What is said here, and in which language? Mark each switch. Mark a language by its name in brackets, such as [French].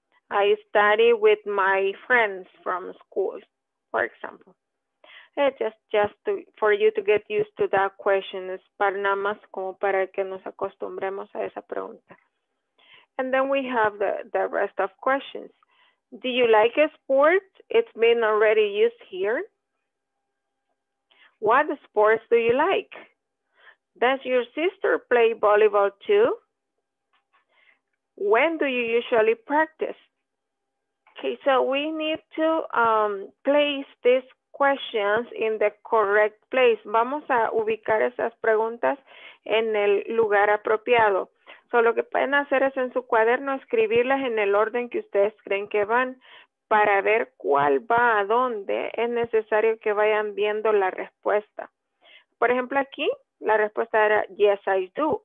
[English] I study with my friends from school, for example. Just for you to get used to that question. [Spanish] Es para nada más como para que nos acostumbremos a esa pregunta. [English] And then we have the rest of questions. Do you like sports? It's been already used here. What sports do you like? Does your sister play volleyball too? When do you usually practice? Okay, so we need to place these questions in the correct place. [Spanish] Vamos a ubicar esas preguntas en el lugar apropiado. So lo que pueden hacer es en su cuaderno escribirlas en el orden que ustedes creen que van para ver cuál va a dónde. Es necesario que vayan viendo la respuesta. Por ejemplo, aquí la respuesta era, [English] yes, I do.